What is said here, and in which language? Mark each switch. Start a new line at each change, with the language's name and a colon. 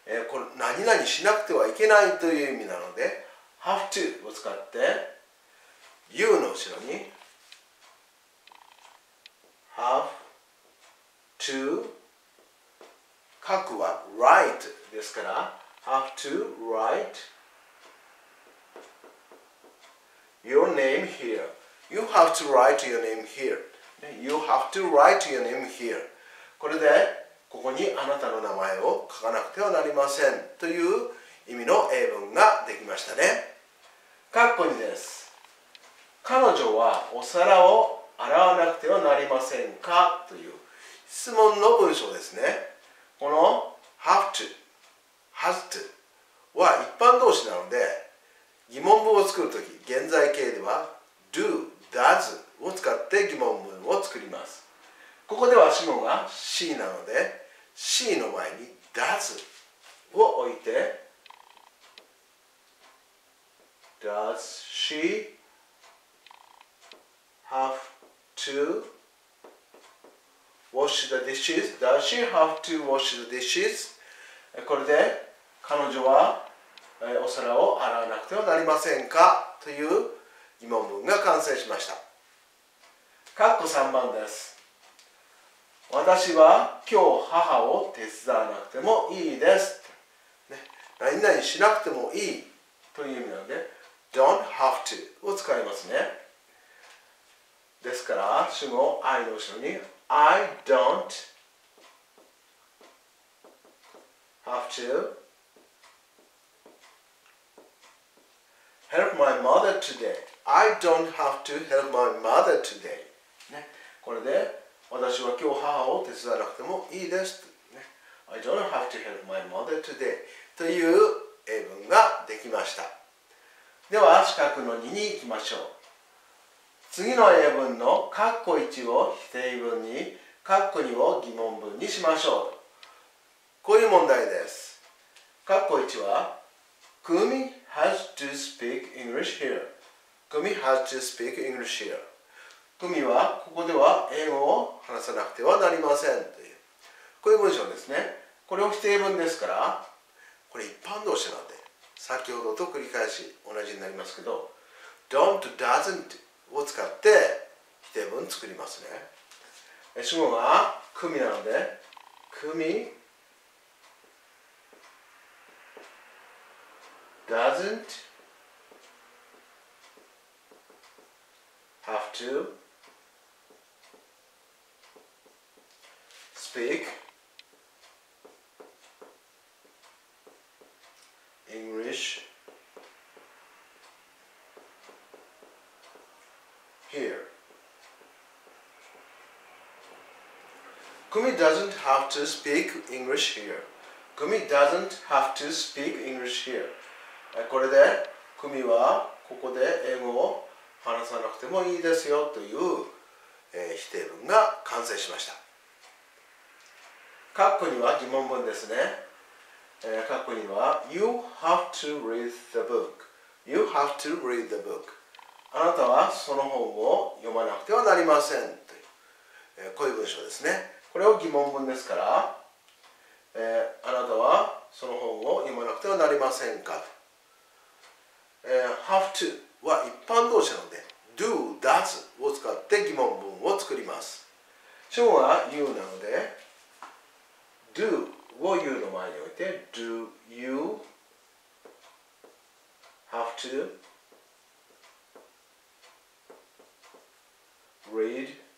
Japanese: これ何々しなくてはいけないという意味なので、 have to を使って you の後ろに have to、 書くは write ですから
English: have to write your name here。 You have to write your name here. You have to write your name here.
Japanese: これでここにあなたの名前を書かなくてはなりませんという意味の英文ができましたね。括弧2です。彼女はお皿を洗わなくてはなりませんかという質問の文章ですね。この have to、 has to は一般動詞なので、疑問文を作るとき現在形では do、does を使って疑問文を作ります。ここでは主語が C なので、 C の前に does を置いて
English: Does she have to wash the dishes? Does she have to wash the dishes?
Japanese: これで彼女はお皿を洗わなくてはなりませんかという疑問文が完成しました。括弧3番です。私は今日母を手伝わなくてもいいです、ね、何々しなくてもいいという意味なので
English: Don't have to
Japanese: を使いますね。ですから主語 I の後ろに
English: I don't have to help my mother todayI don't have to help my mother today、
Japanese: ね、これで私は今日母を手伝わなくてもいいです、ね、
English: I don't have to help my mother today
Japanese: という英文ができました。では四角の2に行きましょう。次の英文の括弧1を否定文に、括弧2を疑問文にしましょう。こういう問題です。括弧1は
English: Kumi has to speak English hereKumi has to speak English here.
Japanese: Kumi はここでは英語を話さなくてはなりませんという、こういう文章ですね。これを否定文ですから、これ一般動詞なんで、先ほどと繰り返し同じになりますけど、Don't, doesn't を使って否定文作りますね。主語が Kumi なので、Kumi doesn't.
English: Have to speak English here. Kumi doesn't have to speak English here. Kumi doesn't have to speak English here.
Japanese: これで Kumi はここで英語を話さなくてもいいですよという、否定文が完成しました。括弧には疑問文ですね。括弧には
English: You have to read the book. You have to read the book.
Japanese: あなたはその本を読まなくてはなりませんという、こういう文章ですね。これを疑問文ですから、あなたはその本を読まなくてはなりませんかと、Have toは一般動詞なので Do, does を使って疑問文を作ります。主語は You なので Do を You の前に置いて
English: Do you have to read